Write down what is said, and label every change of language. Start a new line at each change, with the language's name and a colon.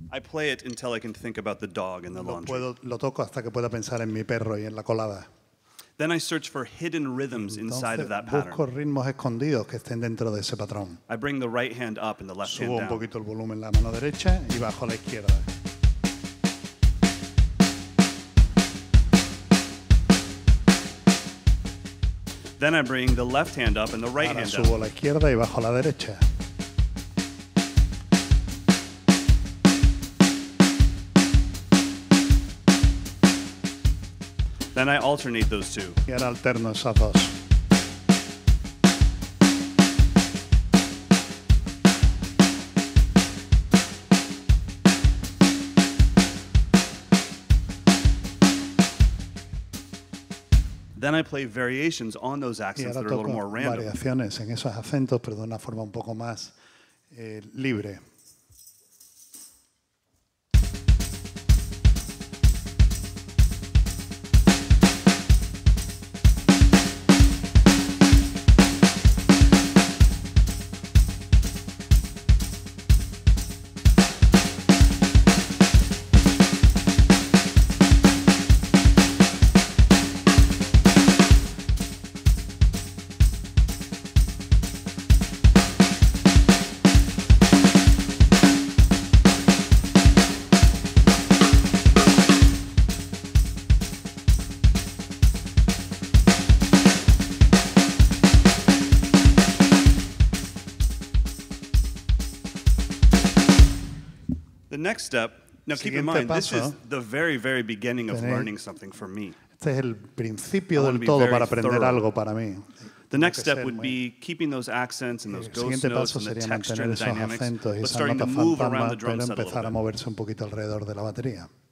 English: Play it until I can think about the dog and the laundry.
Spanish: Lo toco hasta que pueda pensar en mi perro y en la colada.
English: Then I search for hidden rhythms inside of that pattern.
Spanish: Busco ritmos escondidos que estén dentro de ese patrón.
English: I bring the right hand up and the left hand down.
Spanish: Subo un poquito el volumen en la mano derecha y bajo la izquierda.
English: Then I bring the left hand up and the right hand down.
Spanish: Subo la izquierda y bajo la derecha.
English: Then I alternate those two.
Spanish: Y ahora alterno esas dos.
English: Then I play variations on those accents that are a little more random.
Spanish: Y ahora toco variaciones en esos acentos, pero de una forma un poco más libre.
English: Next step, now
Spanish: siguiente
English: keep in mind,
Spanish: paso,
English: this is the very, very beginning of learning something for me.
Spanish: Este es el principio del todo para aprender algo para mí.
English: The next step would be keeping those accents and those ghost notes and the texture and the dynamics, but starting to move around the drum set a little bit.
Spanish: A moverse un poquito alrededor de la batería.